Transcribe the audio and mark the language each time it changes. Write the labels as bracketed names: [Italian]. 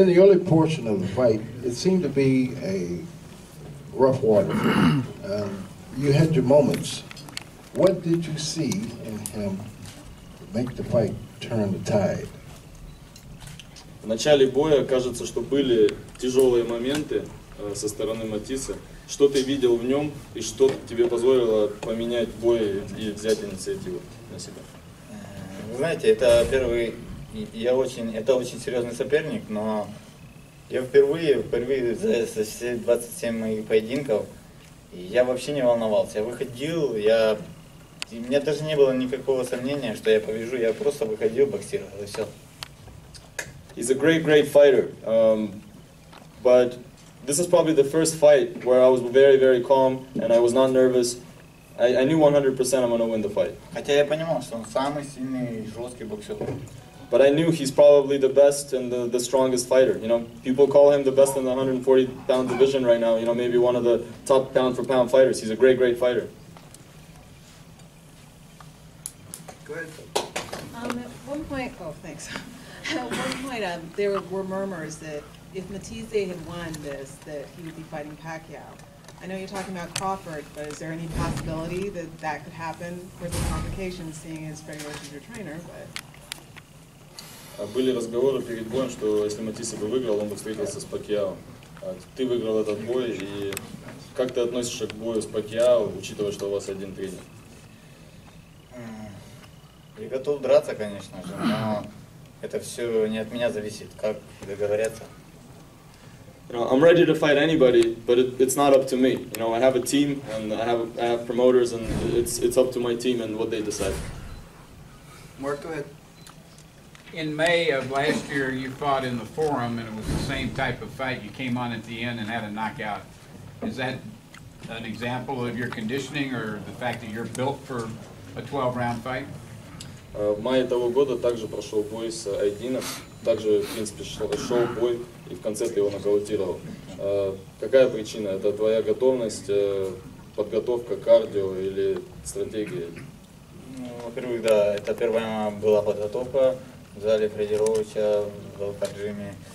[English] In the early portion of the fight, it seemed to be a rough water. You had your moments. What did you see in him to make the fight turn the tide? [Russian] В начале боя кажется, что были тяжелые моменты со стороны Матисса. Что ты видел в нем и что тебе позволило поменять бой и взять инициативу на себя? Вы знаете, это первый, это очень серьезный соперник, но я впервые за все 27 моих поединков, я вообще не волновался. Я выходил, у меня даже не было никакого сомнения, что я побежу, я просто выходил, боксировал и все. [English] He's a great, great fighter, but this is probably the first fight where I was very, very calm and I was not nervous. I knew 100% I'm going to win the fight. [Russian] Хотя я понимал, что он самый сильный и жесткий боксер. [English] But I knew he's probably the best and the strongest fighter. You know, people call him the best in the 140-pound division right now. You know, maybe one of the top pound-for-pound fighters. He's a great, great fighter. Go ahead. At one point, there were murmurs that if Matthysse had won this, that he would be fighting Pacquiao. I know you're talking about Crawford, but is there any possibility that that could happen? Of course, the complication, seeing as Freddie Roach is your trainer, but... [Russian] Были разговоры перед боем, что если Матисса бы выиграл, он бы встретился с Пакьяо. Ты выиграл этот бой, и как ты относишься к бою с Пакьяо, учитывая, что у вас один тренер? Я готов драться, конечно же, но это все не от меня зависит, как договорятся. [English] You know, I'm ready to fight anybody, but it's not up to me. You know, I have a team and I have promoters, and it's up to my team and what they decide. Mark, go ahead. In May of last year, you fought in the Forum, and it was the same type of fight. You came on at the end and had a knockout. Is that an example of your conditioning or the fact that you're built for a 12-round fight? [Russian] В мае того года также прошел бой с Айдином. Также, в принципе, шел бой, и в конце ты его нокаутировал. Какая причина? Это твоя готовность, подготовка, кардио или стратегия? Ну, во-первых, да, это первая была подготовка в зале Фредди Роуча, в Алкаджиме.